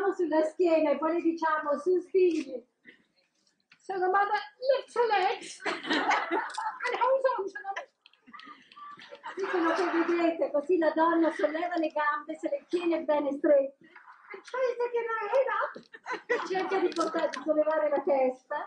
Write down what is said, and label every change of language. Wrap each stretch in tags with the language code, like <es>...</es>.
<it>La schiena e poi le diciamo su spingi.</it> <en>So the mother lifts her legs and holds on to them.</en> <it>Dicono che vedete, così la donna solleva le gambe, se le tiene bene strette.</it> <en>And tries to get her head up.</en> <it>E cerca di portare, di sollevare la testa.</it>